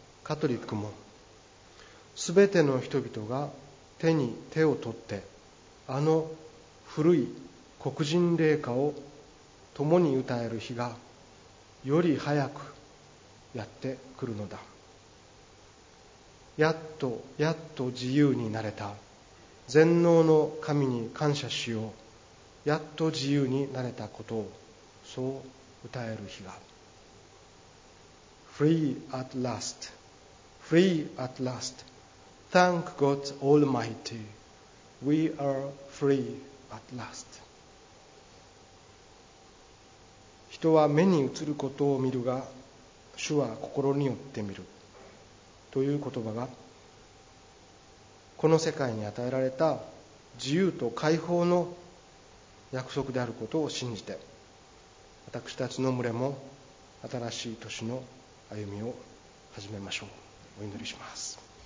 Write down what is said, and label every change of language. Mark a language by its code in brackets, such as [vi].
[ja] カトリックも、すべての人々が手に手を取って、あの古い黒人霊歌を共に歌える日がより早くやってくるのだ。やっとやっと自由になれた。全能の神に感謝しよう。やっと自由になれたことを、そう歌える日が。 [en] Free at last, free at last. Thank God Almighty, we are free at last. [ja] 人は目に映ることを見るが、主は心によって見るという言葉が、この世界に与えられた自由と解放の約束であることを信じて、私たちの群れも新しい年の歩みを始めましょう。お祈りします。